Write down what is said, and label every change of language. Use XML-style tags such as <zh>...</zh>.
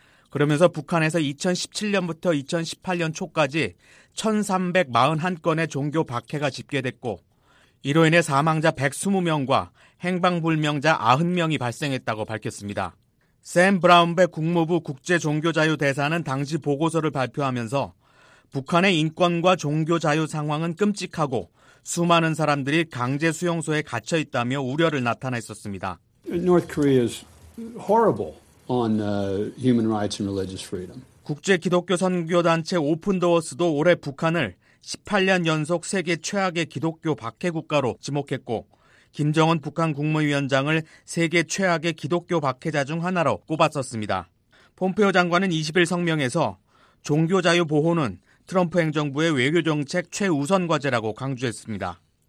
<ko>그러면서 북한에서 2017년부터 2018년 초까지 1,341건의 종교 박해가 집계됐고 이로 인해 사망자 120명과 행방불명자 90명이 발생했다고 밝혔습니다. 샘 브라운백 국무부 국제종교자유대사는 당시 보고서를 발표하면서 북한의 인권과 종교자유 상황은 끔찍하고 수많은 사람들이 강제수용소에 갇혀있다며 우려를 나타냈었습니다.</ko> <en>North Korea is horrible on human rights and religious freedom.</en> <ko>국제 기독교 선교 단체 오픈 도어스도 올해 북한을 18년 연속 세계 최악의 기독교 박해 국가로 지목했고 김정은 북한 국무위원장을 세계 최악의 기독교 박해자 중 하나로 꼽았었습니다. 폼페오 장관은 20일 성명에서 종교 자유 보호는 트럼프 행정부의 외교 정책 최우선 과제라고 강조했습니다.</ko>